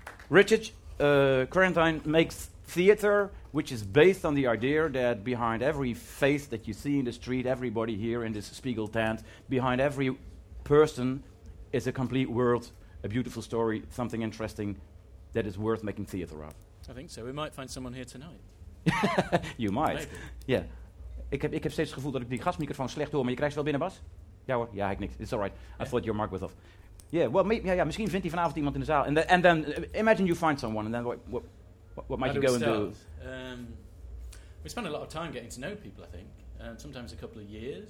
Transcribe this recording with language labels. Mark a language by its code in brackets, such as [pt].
[en] Richard, Quarantine makes theater, which is based on the idea that behind every face that you see in the street, everybody here in this Spiegel tent, behind every person is a complete world, a beautiful story, something interesting that is worth making theater of. I think so. We might find someone here tonight. You might. Maybe. Yeah. [nl] Ik heb steeds het gevoel dat ik die gastmicrofoon slecht hoor, maar je krijgt ze wel binnen, Bas? Ja hoor, ja, ik niks. [en] It's all right. Yeah. I thought your mic was off. Yeah, well, [nl] misschien vindt hij vanavond iemand in de zaal. [en] And then imagine you find someone, and then what might How you go and start? Do? We spend a lot of time getting to know people, I think. Sometimes a couple of years.